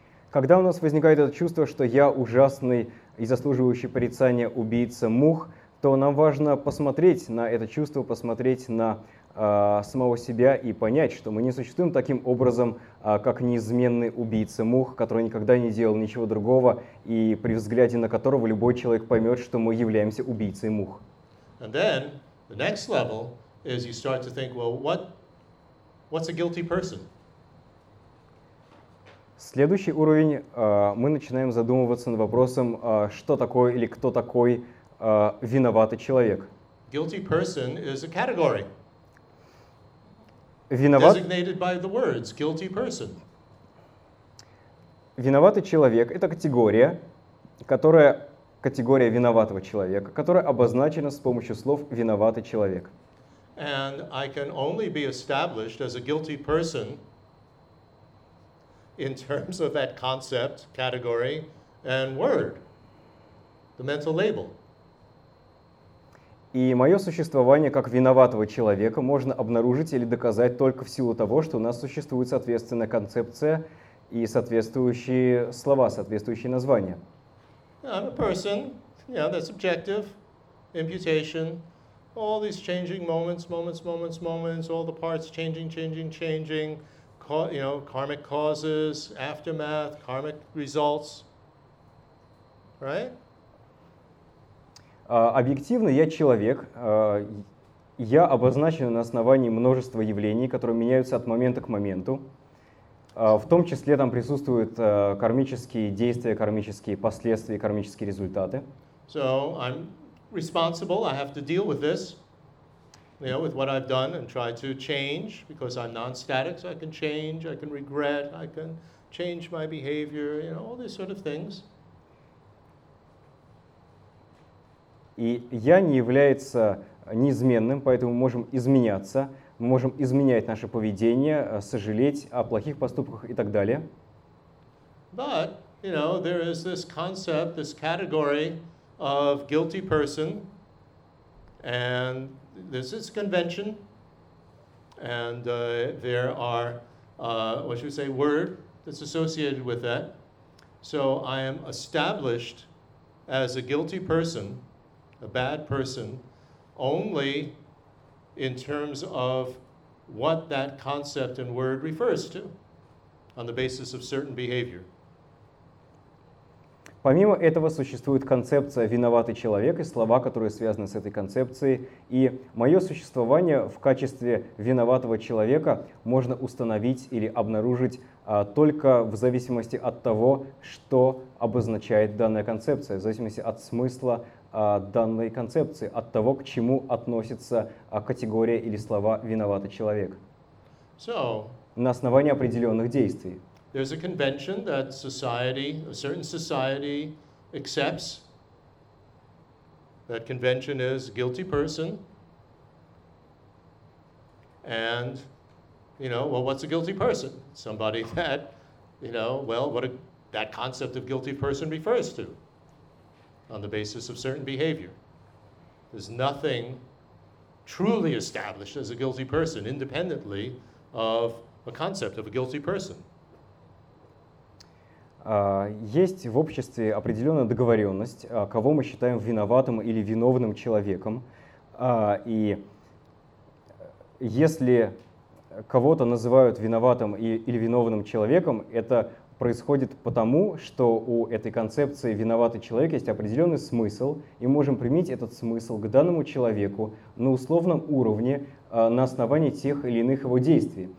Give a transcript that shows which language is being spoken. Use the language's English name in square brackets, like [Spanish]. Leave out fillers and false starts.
[Russian] Когда у нас возникает это чувство, что я ужасный и заслуживающий порицания убийца мух, то нам важно посмотреть на это чувство, посмотреть на самого себя и понять, что мы не существуем таким образом, как неизменный убийца мух, который никогда не делал ничего другого, и при взгляде на которого любой человек поймет, что мы являемся убийцей мух. [English] And then, the next level is you start to think, well, what's a guilty person? [Russian] Следующий уровень, мы начинаем задумываться над вопросом, что такое или кто такой виноватый человек. [English] Guilty person is a category. [Russian] Виноват... [English] Designated by the words, guilty person. [Russian] Виноватый человек — это категория, которая, категория виноватого человека, которая обозначена с помощью слов «виноватый человек». [English] And I can only be established as a guilty person in terms of that concept, category, and word, the mental label. [Russian] И мое существование как виноватого человека можно обнаружить или доказать только в силу того, что у нас существует соответственная концепция и соответствующие слова, соответствующие названия. [English] I'm a person, yeah, that's objective, imputation, all these changing moments, moments, moments, moments, all the parts changing, changing, changing, you know, karmic causes, aftermath, karmic results, right? [Russian] Объективно, я человек, я обозначен на основании множества явлений, которые меняются от момента к моменту. В том числе там присутствуют кармические действия, кармические последствия, кармические результаты. [English] So I'm responsible, I have to deal with this, you know, with what I've done and try to change, because I'm non-static, so I can change, I can regret, I can change my behavior, you know, all these sort of things. [Russian] И я не является неизменным, поэтому мы можем изменяться, мы можем изменять наше поведение, сожалеть о плохих поступках и так далее. [English] But, you know, there is this concept, this category of guilty person, and this is convention, and there are, what should we say, word that's associated with that. So I am established as a guilty person, a bad person, only in terms of what that concept and word refers to on the basis of certain behavior. [Russian] Помимо этого, существует концепция «виноватый человек» и слова, которые связаны с этой концепцией. И мое существование в качестве виноватого человека можно установить или обнаружить только в зависимости от того, что обозначает данная концепция, в зависимости от смысла данной концепции, от того, к чему относится категория или слова «виноватый человек». [English] So, [Russian] на основании определенных действий. [English] There's a convention that society, a certain society, accepts. That convention is guilty person. And, you know, well, what's a guilty person? Somebody that, you know, well, what a, that concept of guilty person refers to on the basis of certain behavior. There's nothing truly established as a guilty person independently of a concept of a guilty person. [Russian] Есть в обществе определенная договоренность, кого мы считаем виноватым или виновным человеком. И если кого-то называют виноватым или виновным человеком, это происходит потому, что у этой концепции «виноватый человек» есть определенный смысл, и мы можем применить этот смысл к данному человеку на условном уровне на основании тех или иных его действий.